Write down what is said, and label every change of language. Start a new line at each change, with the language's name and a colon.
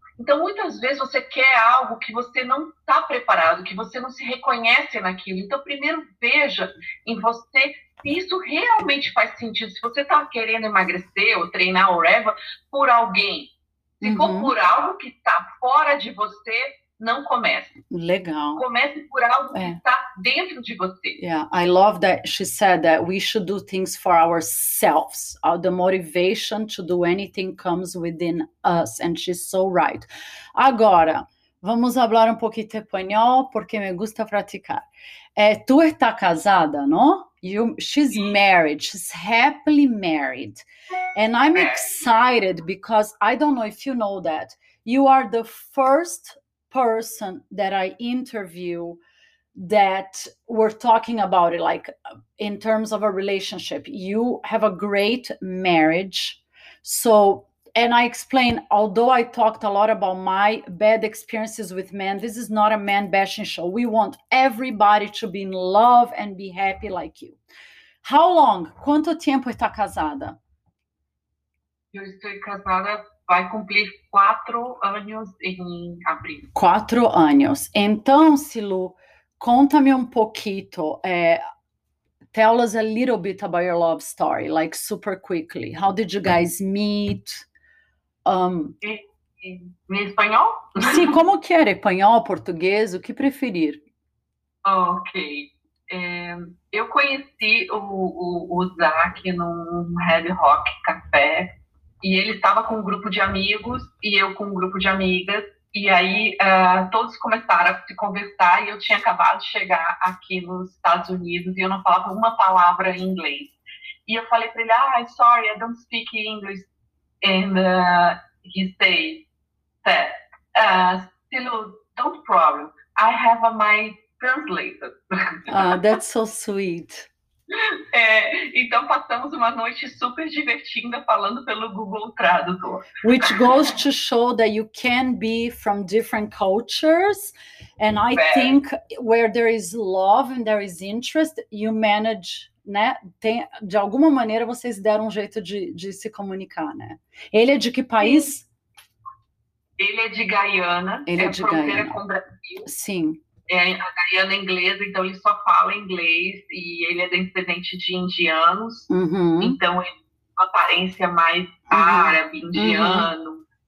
Portuguese: Então, muitas vezes você quer algo que você não está preparado, que você não se reconhece naquilo. Então, primeiro veja em você se isso realmente faz sentido. Se você está querendo emagrecer ou treinar ou
English: whatever,
Portuguese: por alguém. Se for por algo que está fora de você, não comece. Legal. Comece por algo que É. está dentro de você.
English: Yeah, I love that she said that we should do things for ourselves. The motivation to do anything comes within us, and she's so right.
Portuguese: Agora, vamos falar um pouquinho espanhol, porque
Spanish: me gusta
Portuguese: praticar. Tu está casada, não?
English: She's married. She's happily married. And I'm excited because I don't know if you know that. You are the first person that I interview that we're talking about it, like in terms of a relationship. You have a great marriage. So, and I explain, although I talked a lot about my bad experiences with men, this is not a man bashing show. We want everybody to be in love and be happy like you. How long?
Portuguese: Quanto tempo está casada? Eu estou casada, vai cumprir 4 anos em abril. 4 anos. Então, Silu, conta-me um pouquinho.
English: Tell us a little bit about your love story, like super quickly. How did you guys meet?
Portuguese: Em espanhol? Sim, como que era? Espanhol, português? O que preferir? Ok. Eu conheci o Zach num Red Rock Café. E ele estava com um grupo de amigos e eu com um grupo de amigas. E aí todos começaram a se conversar e eu tinha acabado de chegar aqui nos Estados Unidos e eu não falava uma palavra em inglês. E eu falei para ele, ah,
English: sorry, I don't speak English. And he said, Silu, don't problem, I have my translator. Ah, that's so sweet.
Portuguese: Então passamos uma noite super divertida falando pelo Google Tradutor.
English: Which goes to show that you can be from different cultures. And I think where there is love and there is interest, you manage, né?
Portuguese: Tem, de alguma maneira vocês deram um jeito de se comunicar, né? Ele é de que Sim. país? Ele é de Guyana, Ele é é de fronteira Guyana. com o Brasil. Sim. É, a Guyana é inglesa, então ele só fala inglês e ele é descendente de indianos, então é uma aparência mais árabe, indiano.